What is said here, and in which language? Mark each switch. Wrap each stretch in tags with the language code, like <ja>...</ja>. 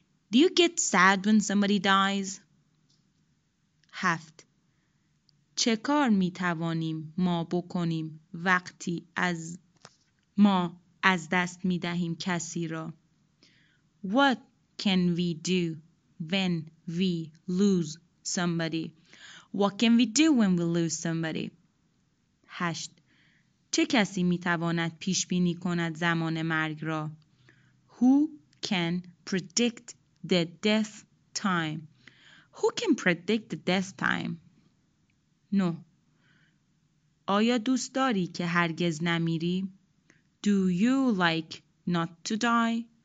<en>Do you get sad when somebody dies? 7.</en> <fa>چه کار می توانیم ما بکنیم وقتی از ما از دست می دهیم کسی را؟</fa> <en>What can we do when we lose somebody? What can we do when we lose somebody? 8.</en> <fa>چه کسی می تواند پیش بینی کند زمان مرگ را؟</fa> <en>Who can predict the death time? Who can predict the death time? 9.</en> <fa>آیا دوست داری که هرگز نمیری؟</fa> <en>Do you like not to die?</en>